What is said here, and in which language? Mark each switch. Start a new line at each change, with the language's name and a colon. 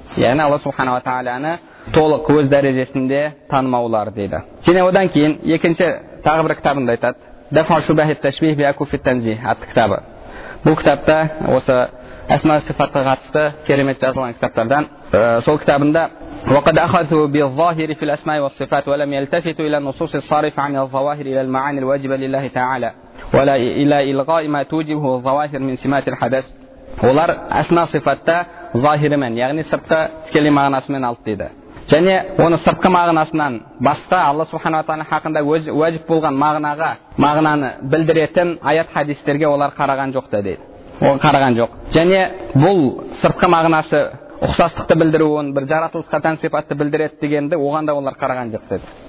Kyrgyz: Ягъни Алла субхана ва тааланы толук өз дарежесинде таанымаулар дейди. Жана одан кийин экинчи тагы бир китабында айтат. Дафа шубах ат-ташбих би акуф ат-танзих ат китабы. Бул китапта осы асма сыйфатка катышты керемет жазылган китаптардан. Сол китабында
Arabic: وقد اخذوا بالظاهر في الاسماء والصفات ولم يلتفتوا الى النصوص الصارفه عن الظواهر الى المعاني الواجبه لله تعالى ولا الى الغاء ما توجبه الظواهر من سمات الحدث.
Kyrgyz: Олар асма сыйфатта заһири мен, ягъни сыртка тикелей маанасы менен алды деди.
Kazakh: Және оны сыртқы мағынасынан басқа Алла субхана ва тааланың хақында уәжіп болған мағынаға, мағынаны білдіретін аят хадистерге олар қараған жоқ та дейді. Оған қараған жоқ. Және бұл сыртқы мағынасы ұқсастықты білдіруін, бір жаратылысқа тән сипатты білдіреді дегенді оған да олар қараған жоқ деді.